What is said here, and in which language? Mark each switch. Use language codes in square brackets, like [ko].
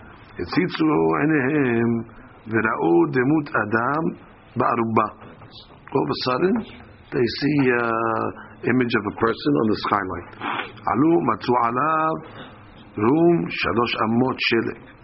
[he] הציצו עיניהם וראו דמות אדם בערובה. [en] All of a sudden, they see an image of a person on the skylight. [he] עלו, מצאו עליו רום שלוש אמות שלג.